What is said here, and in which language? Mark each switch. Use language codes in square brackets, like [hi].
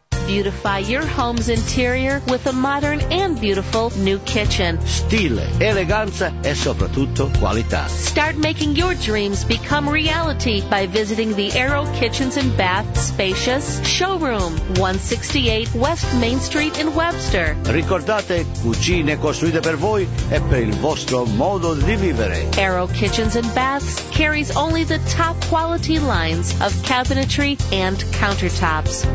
[en] Home's interior with a modern and beautiful new kitchen. [it] Stile, eleganza e soprattutto qualità. [en] Start making your dreams become reality by visiting the Arrow Kitchens and Baths spacious showroom, 168 West Main Street in Webster. [it] Ricordate, cucine costruite per voi e per il vostro modo di vivere. [en] Arrow Kitchens and Baths carries only the top quality lines of cabinetry and countertops.